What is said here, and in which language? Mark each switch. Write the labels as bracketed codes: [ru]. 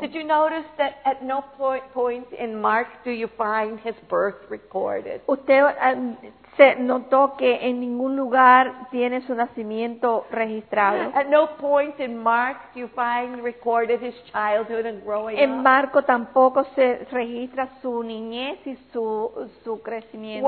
[en] Did you notice that at no point in Mark do you find his birth recorded? [es] Se notó que en ningún lugar tiene su nacimiento registrado. [en] At no point in Mark do you find recorded his childhood and growing up. [es] En Marco tampoco se registra su niñez y su crecimiento.